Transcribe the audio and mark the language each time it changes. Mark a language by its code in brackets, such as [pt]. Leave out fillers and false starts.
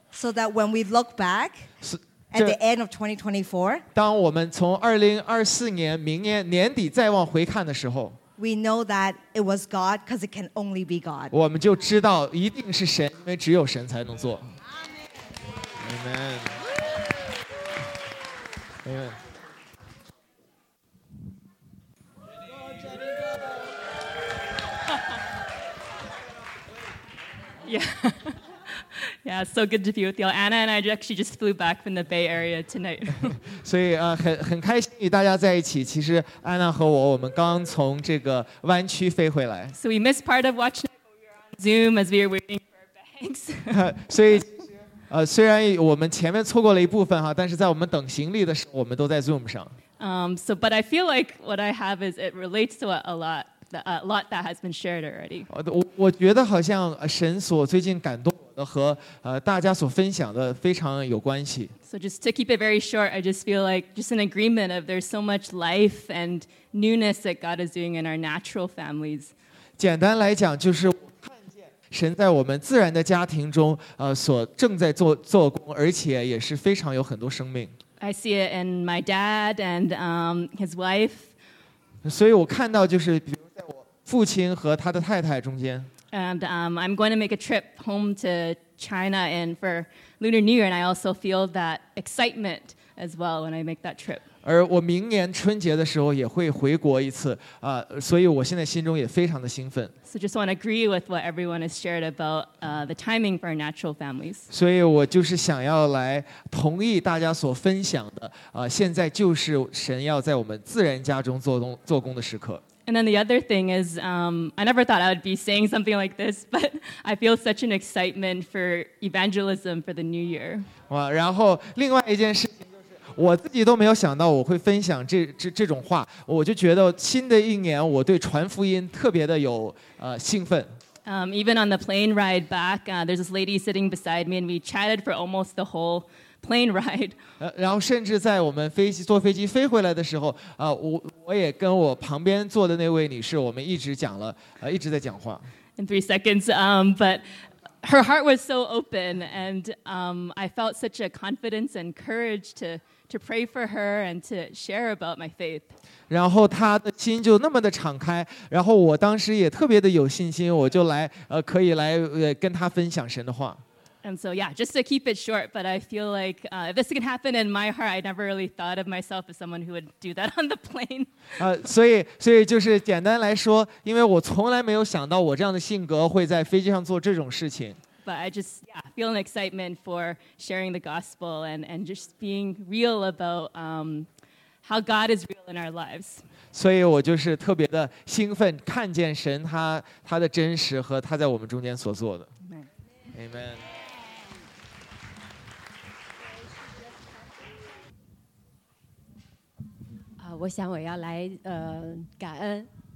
[en] So that when we look back at the end of 2024, [zh] 当我们从2024年明年年底再往回看的时候， [en] we know that it was God because it can only be God. [zh] 我们就知道一定是神，因为只有神才能做。 [en] Amen. Amen. Yeah, so good to be with y'all. Anna and I actually just flew back from the Bay Area tonight. [zh] 所以很开心与大家在一起。其实安娜和我，我们刚从这个湾区飞回来。 [en] So we missed part of Watchnight, but we were on Zoom as we were waiting for our bags. [zh] 所以虽然我们前面错过了一部分哈，但是在我们等行李的时候，我们都在 Zoom 上。 [en] So, but I feel like what I have is it relates to a lot that has been shared already. [zh] 我觉得好像神所最近感动我的和大家所分享的非常有关系。 [en] So just to keep it very short, I just feel like just an agreement of there's so much life and newness that God is doing in our natural families. [zh] 简单来讲就是神在我们自然的家庭中所正在做工，而且也是非常有很多生命。 [en] I see it in my dad and his wife. [zh] 所以我看到就是比如在我父亲和他的太太中间。 [en] And I'm going to make a trip home to China and for Lunar New Year, and I also feel that excitement as well when I make that trip. [zh] 而我明年春节的时候也会回国一次所以我现在心中也非常的兴奋。 [en] So just want to agree with what everyone has shared about the timing for our natural families. [zh] 所以我就是想要来同意大家所分享的现在就是神要在我们自然家中做工的时刻。 [en] And then the other thing is, I never thought I would be saying something like this, but I feel such an excitement for evangelism for the new year. [zh] 哇，然后另外一件事情就是，我自己都没有想到我会分享这种话，我就觉得新的一年我对传福音特别的有兴奋。 [en] Even on the plane ride back, there's this lady sitting beside me, and we chatted for almost the whole plane ride. [zh] 然后甚至在我们坐飞机飞回来的时候我也跟我旁边坐的那位女士我们一直讲了一直在讲话。 [en] In 3 seconds, but her heart was so open and I felt such a confidence and courage to pray for her and to share about my faith. [zh] 然后她的心就那么的敞开然后我当时也特别的有信心我就来可以来跟她分享神的话。 [en] And so, yeah, just to keep it short, but I feel like if this can happen in my heart, I never really thought of myself as someone who would do that on the plane. [zh] 所以就是简单来说，因为我从来没有想到我这样的性格会在飞机上做这种事情。 [en] But I just feel an excitement for sharing the gospel and just being real about how God is real in our lives. [zh] 所以我就是特别的兴奋，看见神他的真实和他在我们中间所做的。 [en] Amen. Amen. [zh] 我想我要来感恩。